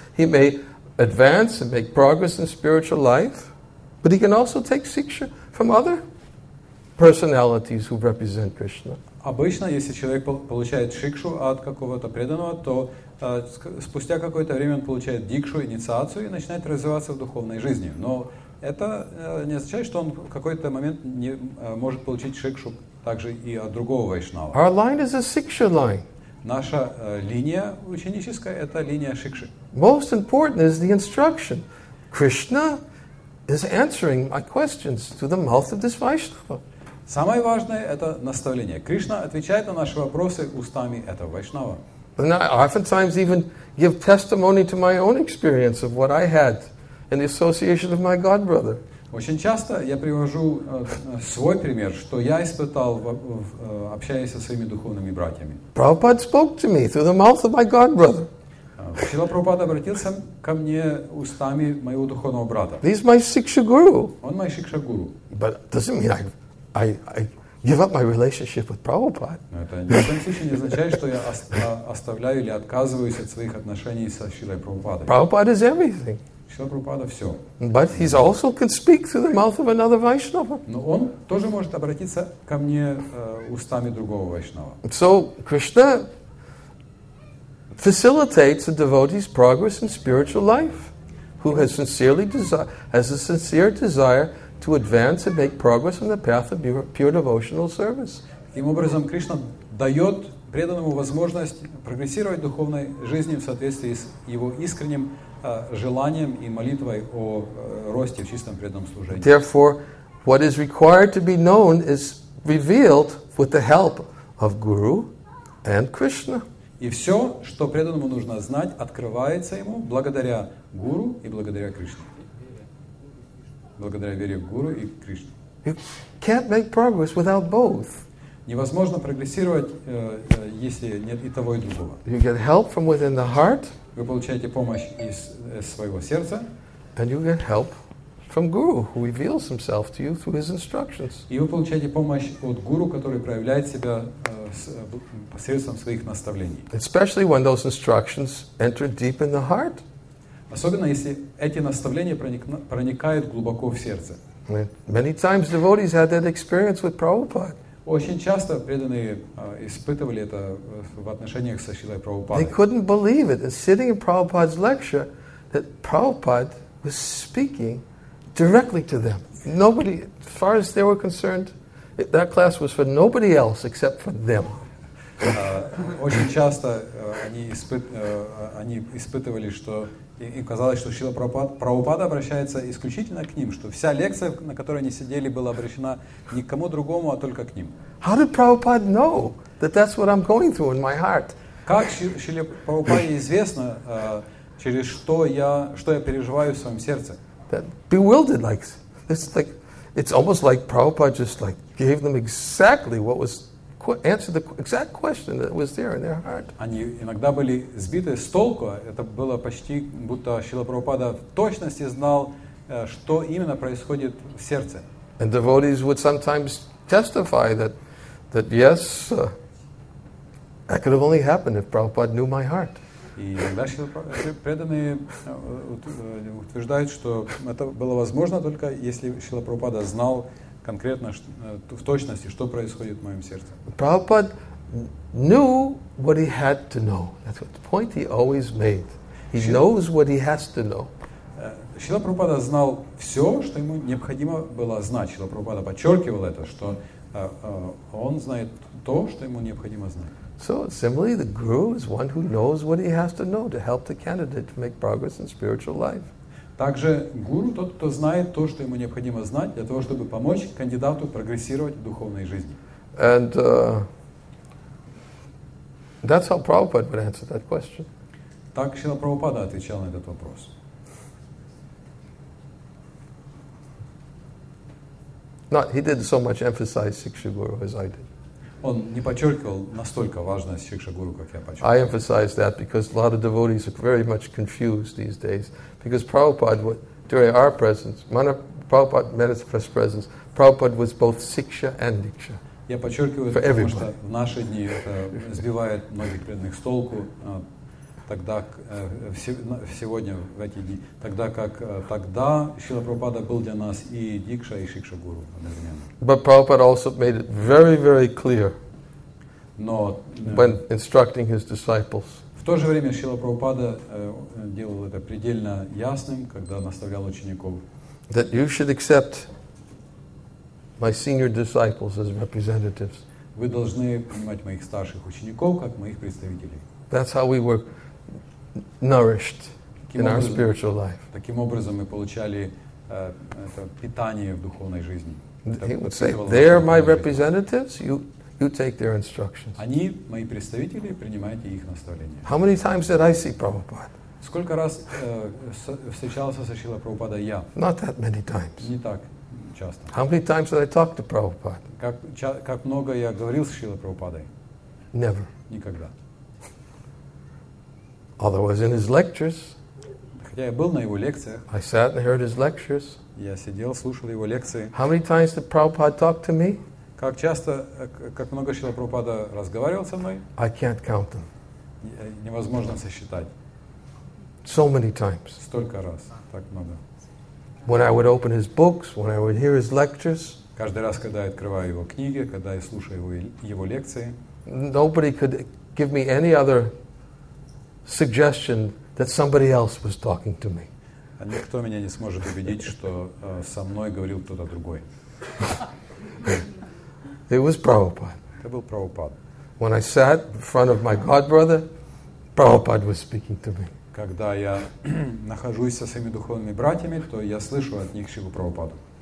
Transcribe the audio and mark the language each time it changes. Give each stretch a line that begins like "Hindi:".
English: He may advance and make progress in spiritual life, but he can also take siksha from other personalities who represent Krishna.
Russian: Обычно, если человек получает шикшу от какого-то преданного, то спустя какое-то время он получает дикшу, инициацию и начинает развиваться в духовной жизни. Но это не означает, что он в какой-то момент не может получить шикшу также и от другого вайшнава.
English: Our line is a siksha line.
Russian: Наша линия ученическая — это линия шикши.
English: Most important is the instruction. Krishna is answering my questions through the mouth of this Vaishnava.
Russian: Самое важное — это наставление. Кришна отвечает на наши вопросы устами этого вайшнава.
English: And I oftentimes even give testimony to my own experience of what I had in the association of my godbrother.
Russian: Очень часто я привожу свой пример, что я испытал, общаясь со своими духовными братьями.
English: Prabhupada spoke to me through the mouth of my godbrother.
Russian: Шрила Прабхупада обратился ко мне устами моего духовного брата.
English: He's my Shiksha Guru.
Russian: Он мой Shiksha Guru.
English: But doesn't mean I give up my relationship with Prabhupada.
Russian: Но это ни в коем случае не означает, что я оставляю или отказываюсь от своих отношений со Шрилой Прабхупадой.
English: Prabhupada is everything. But he also can speak through the mouth of another Vaishnava.
Russian: Но он тоже может обратиться ко мне устами другого Вайшнава.
English: So Krishna facilitates a devotee's progress in spiritual life, who has sincerely has a sincere desire to advance and make progress on the path of pure devotional service.
Russian: Таким образом, Кришна дает преданному возможность прогрессировать в духовной жизни в соответствии с его искренним желанием и молитвой о росте в чистом преданном служении.
English: Therefore, what is required to be known is revealed with the help of Guru and Krishna.
Russian: И все, что преданному нужно знать, открывается ему благодаря Гуру и благодаря Кришне. Благодаря вере в Гуру и Кришне.
English: You can't make progress without both.
Russian: Невозможно прогрессировать, если нет и того, и другого.
English: You get help from within the heart.
Russian: Вы получаете помощь из своего сердца.
English: And you get help from Guru, who reveals himself to you through his instructions.
Russian: И вы получаете помощь от Гуру, который проявляет себя посредством своих наставлений.
English: Especially when those instructions enter deep in the heart.
Russian: Особенно если эти наставления проникают глубоко в сердце.
English: Many times devotees had that experience with Prabhupada.
Russian: Очень часто преданные испытывали это в отношениях со Шрилой Прабхупадой.
English: They couldn't believe it. And sitting in Prabhupada's lecture, that Prabhupada was speaking directly to them. Nobody, as far as they were concerned, that class was for nobody else except for them.
Russian: Очень часто они испытывали, что им казалось, что Шрила Прабхупада обращается исключительно к ним, что вся лекция, на которой они сидели, была обращена не к кому другому, а только к ним.
English: How did Prabhupada know that that's what I'm going through in my heart?
Russian: Как Шриле Прабхупаде известно, через что я переживаю в своем сердце?
English: That bewildered, it's almost like Prabhupada just like gave them exactly what was answered the exact question that was there in their heart.
Russian: Они иногда были сбиты с толку. Это было почти будто Шрила Прабхупада в точности знал, что именно происходит в сердце.
English: And devotees would sometimes testify that yes, that could have only happened if Prabhupada knew my heart.
Russian: И иногда преданные утверждают, что это было возможно только если Шрила Прабхупада знал конкретно в точности, что происходит в моем сердце.
English: Prabhupada knew what he had to know. That's the point he always made. He knows what he has to know.
Russian: Шрила Прабхупада знал все, что ему необходимо было знать. Шрила Прабхупада подчеркивал это, что он знает то, что ему необходимо знать.
English: So similarly, the guru is one who knows what he has to know to help the candidate to make progress in spiritual life.
Russian: Также гуру тот, кто знает то, что ему необходимо знать для того, чтобы помочь кандидату прогрессировать в духовной жизни.
English: And that's how Prabhupada would answer that question.
Russian: Так Шрила Прабхупада отвечал на этот вопрос.
English: Not he didn't so much emphasize Shiksha Guru as I did.
Russian: Он не подчеркивал настолько важность Шикша Гуру, как я подчеркиваю.
English: I emphasize that because a lot of devotees are very much confused these days. Because Prabhupada, during our presence, Prabhupada manifest presence, Prabhupada was both Shiksha and Diksha.
Russian: Я подчеркиваю,
English: for
Russian: потому
English: everybody.
Russian: Что в наши дни это сбивает многих преданных с толку. Тогда Шрила Прабхупада был для нас и Дикша, и Шикша Гуру одновременно.
English: But Prabhupada also made it very, very clear when instructing his disciples.
Russian: В то же время Шрила Прабхупада делал это предельно ясным, когда наставлял учеников.
English: That you should accept my senior disciples as representatives.
Russian: Вы должны принимать моих старших учеников как моих представителей.
English: That's how we work. Nourished in our spiritual life.
Russian: Таким образом мы получали это питание в духовной жизни.
English: He would say, "They are my representatives. You take their instructions."
Russian: Они мои представители, принимайте их наставления.
English: How many times did I see Prabhupada?
Russian: Сколько раз встречался со Шрилой Прабхупадой я?
English: Not that many times.
Russian: Не так часто.
English: How many times did I talk to Prabhupada?
Russian: Как много я говорил с Шрилой Прабхупадой?
English: Never.
Russian: Никогда.
English: Although I was in his lectures.
Russian: Хотя я был на его лекциях.
English: I sat and heard his lectures.
Russian: Я сидел, слушал его лекции.
English: How many times did Prabhupada talk to me?
Russian: Как часто, как много Шрила Прабхупада разговаривал со мной?
English: I can't count them.
Russian: Невозможно сосчитать.
English: So many times.
Russian: Столько раз, так много.
English: When I would open his books, when I would hear his lectures.
Russian: Каждый раз, когда я открываю его книги, когда я слушаю его лекции.
English: Nobody could give me any other suggestion that somebody else was talking to me.
Russian: Никто меня не сможет убедить, что со мной говорил кто-то другой.
English: It was Prabhupada.
Russian: Это был Прабхупада.
English: When I sat in front of my godbrother, Prabhupada was speaking to me.
Russian: Когда я нахожусь со своими духовными братьями, то я слышу от них Шрилу Прабхупаду.